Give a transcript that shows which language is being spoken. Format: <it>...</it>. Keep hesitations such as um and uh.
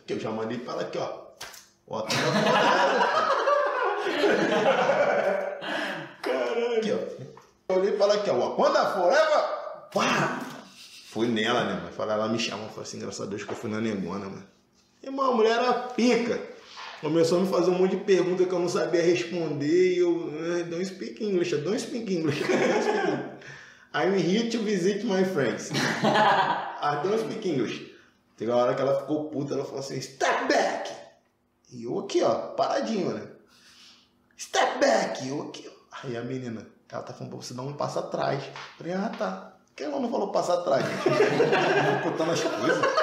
<pt>Que eu já mandei falar ela aqui, ó. Ó, tá na Aqui, ó. Eu olhei e aqui, ó, quando a Forever? Vou... Pá! Fui nela, né, mano? falar ela me chamou, falou assim, graças a Deus que eu fui na negona, mano. E, mano, a mulher era pica. Começou a me fazer um monte de perguntas que eu não sabia responder e eu.</pt> <en>Ai, don't speak English, don't speak English. Don't speak English. I'm here to visit my friends. I don't speak English.</en> <pt>Teve uma hora que ela ficou puta, ela falou assim,</pt> <en>step back!</en> <pt>E eu aqui, ó, paradinho, né?</pt> <en>Step back!</en> <pt>E eu aqui, ó. Aí a menina, ela tá falando pra você dar um passo atrás. Eu falei, ah, tá. Por que ela não falou passo atrás? Gente? Eu tô as coisas.</pt>